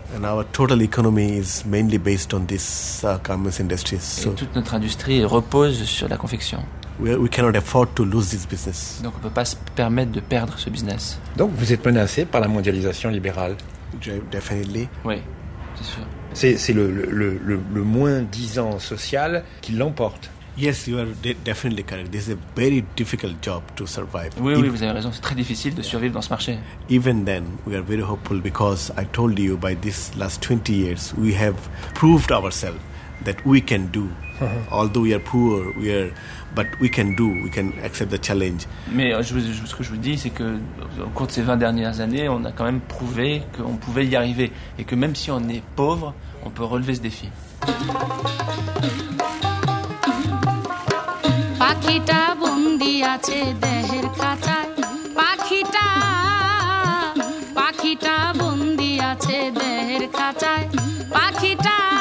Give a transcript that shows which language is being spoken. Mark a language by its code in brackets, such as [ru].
[en] And our total economy is mainly based on this garments industry. [fr] So toute notre industrie repose sur la confection. [en] We cannot afford to lose this business. [fr] Donc on peut pas se permettre de perdre ce business. Donc vous êtes menacé par la mondialisation libérale. [en] Definitely. [fr] Oui, c'est sûr. C'est le moins disant social qui l'emporte. [en] Yes, you are definitely correct. This is a very difficult job to survive. [fr] Oui, vous avez raison. C'est très difficile de survivre dans ce marché. [en] Even then, we are very hopeful because I told you by this last 20 years, we have proved ourselves that we can do. Uh-huh. Although we are poor, but we can do. We can accept the challenge. [fr] Mais ce que je vous dis, c'est que au cours de ces 20 dernières années, on a quand même prouvé qu'on pouvait y arriver et que même si on est pauvre, on peut relever ce défi. [bn] পাখিটা বন্দি আছে দেহের খাঁচায় পাখিটা বন্দি আছে দেহের খাঁচায় পাখিটা